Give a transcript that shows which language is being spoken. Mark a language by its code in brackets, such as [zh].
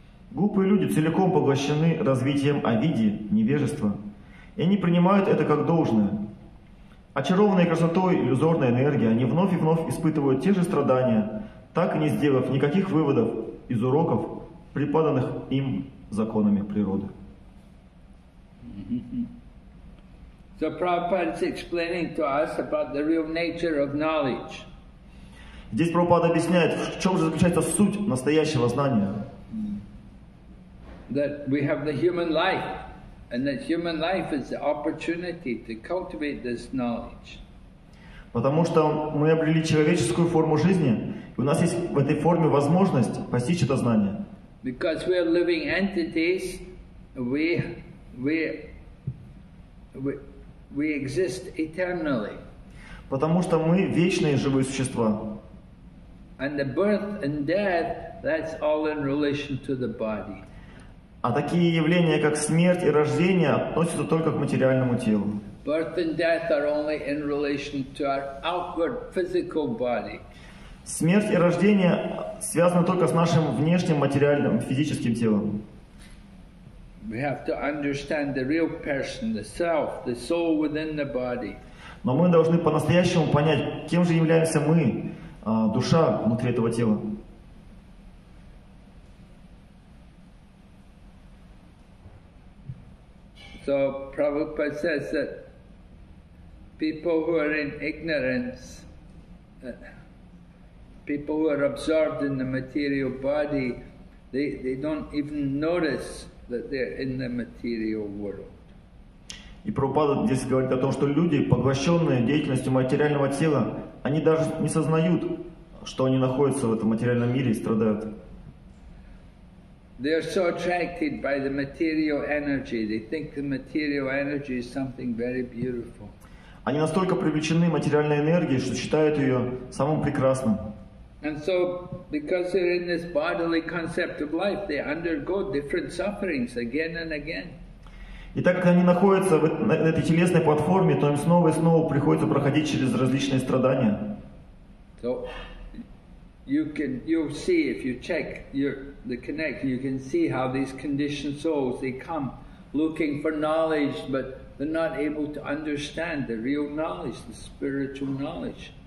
[ru] Глупые люди целиком поглощены развитием авидьи, невежества, и они принимают это как должное. Очарованные красотой иллюзорной энергии, они вновь и вновь испытывают те же страдания, так и не сделав никаких выводов из уроков, преподанных им законами природы. [en] So Prabhupada is explaining to us about the real nature of knowledge. [ru] Здесь Прабхупада объясняет, в чем же заключается суть настоящего знания. [en] That we have the human life, and that human life is the opportunity to cultivate this knowledge. [ru] Потому что мы обрели человеческую форму жизни, и у нас есть в этой форме возможность постичь это знание. [en] Because we are living entities, we exist eternally. [ru] Потому что мы вечные живые существа. [en] And the birth and death, that's all in relation to the body. [ru] А такие явления, как смерть и рождение, относятся только к материальному телу. [en] Birth and death are only in relation to our outward physical body. [ru] Смерть и рождение связаны только с нашим внешним материальным физическим телом. [en] We have to understand the real person, the self, the soul within the body. [ru] Но мы должны по-настоящему понять, кем же являемся мы, душа внутри этого тела. [en] So Prabhupada says that people who are in ignorance, people who are absorbed in the material body, they don't even notice that they're in the material world. [ru] И Прабхупада здесь говорит о том, что люди, поглощенные деятельностью материального тела, они даже не сознают, что они находятся в этом материальном мире и страдают. [en] They are so attracted by the material energy. They think the material energy is something very beautiful. [ru] Они настолько привлечены материальной энергией, что считают ее самым прекрасным. [en] And so, because they're in this bodily concept of life, they undergo different sufferings again and again. [ru] И так как они находятся на этой телесной платформе, то им снова и снова приходится проходить через различные страдания. [en] So, you'll see if you check the connection, you can see how these conditioned souls, they come looking for knowledge, but they're not able to understand the real knowledge, the spiritual knowledge.